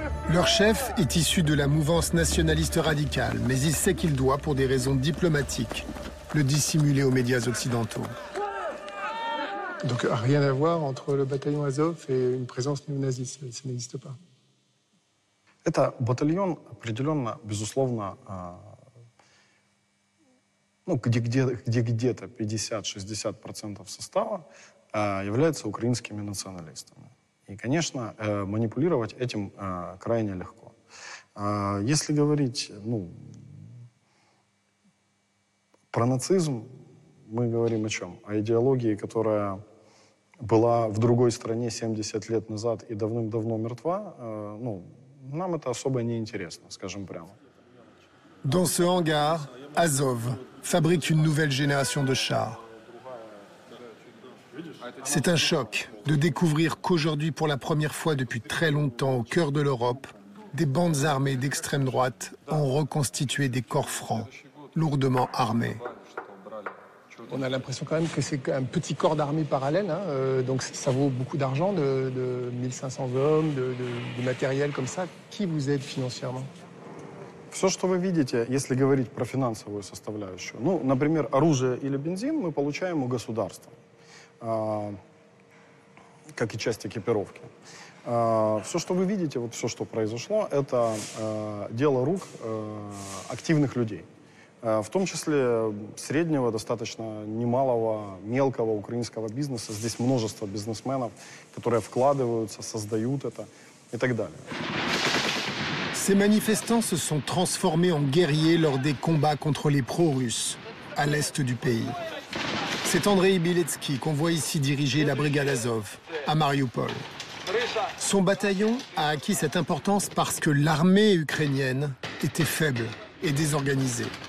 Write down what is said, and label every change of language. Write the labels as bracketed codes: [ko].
[fr] Leur chef est issu de la mouvance nationaliste radicale, mais il sait qu'il doit, pour des raisons diplomatiques, le dissimuler aux médias occidentaux. Donc rien à voir entre le bataillon Azov et une présence néo-nazie, ça n'existe pas. [ru] Это батальон определенно, безусловно, ну где-то 50-60% состава является украинскими националистами. И, конечно, манипулировать этим крайне легко. Если говорить, ну про нацизм мы говорим о чем? О идеологии, которая была в другой стране 70 лет назад и давным-давно мертва. Ну, нам это особо не интересно, скажем прямо. [fr] Dans ce hangar, Azov fabrique une nouvelle génération de chars. C'est un choc de découvrir qu'aujourd'hui, pour la première fois depuis très longtemps, au cœur de l'Europe, des bandes armées d'extrême droite ont reconstitué des corps francs. Lourdement armé. On a l'impression quand même que c'est un petit corps d'armée parallèle. Hein. Donc ça vaut beaucoup d'argent, de 1500 hommes, de matériel comme ça. Qui vous aide financièrement? [ru] Все, что вы видите, если говорить про финансовую составляющую, ну, например, оружие или бензин мы получаем у государства, как и часть экипировки. Все, что вы видите, вот все, что произошло, это дело рук активных людей. В том числе среднего, достаточно немалого, мелкого украинского бизнеса. Здесь множество бизнесменов, которые вкладываются, создают это и так далее. [fr] Ces manifestants se sont transformés en guerriers lors des combats contre les pro-russes à l'est du pays. C'est Andrei Biletsky qu'on voit ici diriger la brigade Azov à Mariupol. Son bataillon a acquis cette importance parce que l'armée ukrainienne était faible et désorganisée.